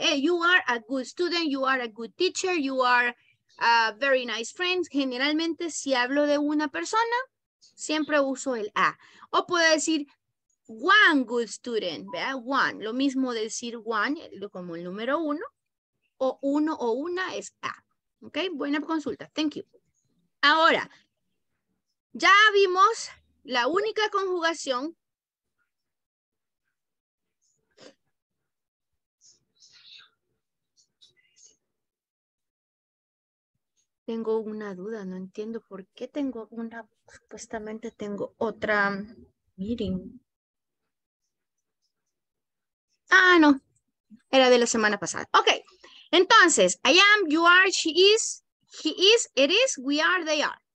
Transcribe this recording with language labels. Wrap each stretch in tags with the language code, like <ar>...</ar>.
<en>Hey, you are a good student, you are a good teacher, you are a very nice friend.</en> <es>Generalmente, si hablo de una persona, siempre uso el a. O puedo decir</es> <en>one good student,</en> <es>¿vea? One. Lo mismo decir one como el número uno. O uno o una es a. Ok, buena consulta.</es> <en>Thank you.</en> <es>Ahora, ya vimos la única conjugación. Tengo una duda, no entiendo por qué tengo una, supuestamente tengo otra meeting. Ah, no, era de la semana pasada.</es> <en>Ok, entonces, I am, you are, she is, he is, it is, we are, they are.</en>